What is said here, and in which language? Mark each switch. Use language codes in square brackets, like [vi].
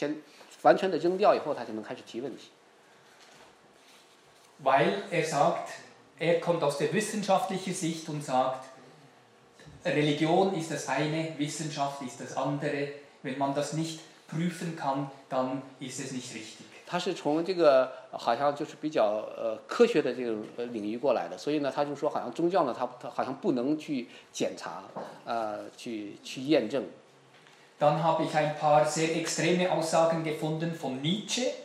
[zh] 那么假如说他要提问题的时候呢，实际上他要把他所有信的东西都得先完全的扔掉以后，他才能开始提问题。 [de] Weil er sagt, er kommt aus der wissenschaftlichen Sicht und sagt, Religion ist das eine, Wissenschaft ist das andere, wenn man das nicht prüfen kann, dann ist es nicht richtig. [zh] 他是从这个好像就是比较科学的这个领域过来的，所以呢，他就说好像宗教呢，他好像不能去检查，去验证。 [de] Dann habe ich ein paar sehr extreme Aussagen gefunden von Nietzsche.